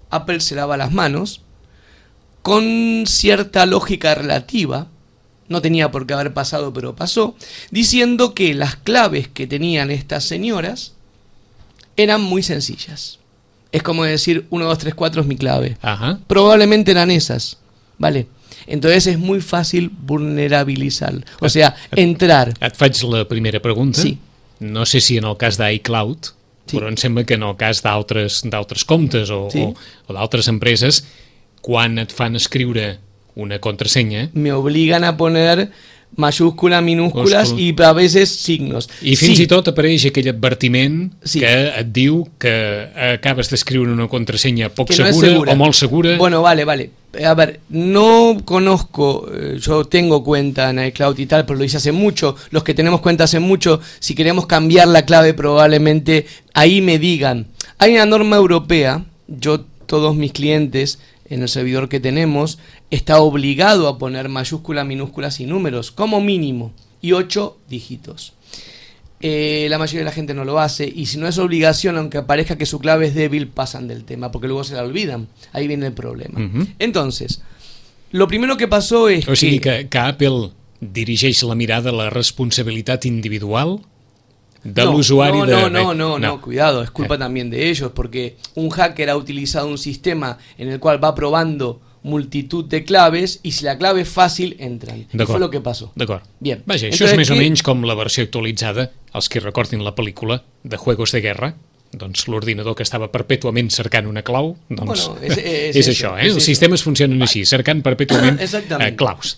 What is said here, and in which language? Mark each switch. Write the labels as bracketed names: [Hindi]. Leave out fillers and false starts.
[Spanish] Apple se lava las manos con cierta lógica relativa, no tenía por qué haber pasado, pero pasó, diciendo que las claves que tenían estas señoras eran muy sencillas. Es como decir, 1, 2, 3, 4 es mi clave. Ajá. Probablemente eran esas, ¿vale? Entonces es muy fácil vulnerabilizar, o sea, entrar. [Catalan] Et faig la primera pregunta. [Spanish] Sí. [Catalan] No sé si en el cas d'iCloud... Sí. Però em sembla que en el cas d'altres comptes o, sí, o d'altres empreses, quan et fan escriure una contrasenya... Me obliguen a poner majúscula, minúscules i a vegades signos. I fins i tot apareix aquell advertiment que et diu que acabes d'escriure una contrasenya poc segura o molt segura. [Spanish] Bueno, vale, vale. A ver, no conozco, yo tengo cuenta en iCloud y tal, pero lo hice hace mucho. Los que tenemos cuenta hace mucho, si queremos cambiar la clave, probablemente ahí me digan. Hay una norma europea, yo, todos mis clientes en el servidor que tenemos, está obligado a poner mayúsculas, minúsculas y números, como mínimo, y 8 dígitos. La mayoría de la gente no lo hace, y si no es obligación, aunque parezca que su clave es débil, pasan del tema, porque luego se la olvidan. Ahí viene el problema. Entonces, lo primero que pasó es [Catalan] que... O sigui, que Apple dirigeix la mirada a la responsabilitat individual de l'usuari de... [Spanish] No, cuidado, es culpa también de ellos, porque un hacker ha utilizado un sistema en el cual va probando multitud de claves, y si la clave es fácil, entran. [Catalan] D'acord. [Spanish] Fue lo que pasó. [Catalan] D'acord. [Spanish] Bien. [Catalan] Vaja, això és més o menys com la versió actualitzada, els que recordin la pel·lícula, de Juegos de Guerra, doncs l'ordinador que estava perpetuament cercant una clau, doncs és això, eh? Els sistemes funcionen així, cercant perpetuament claus.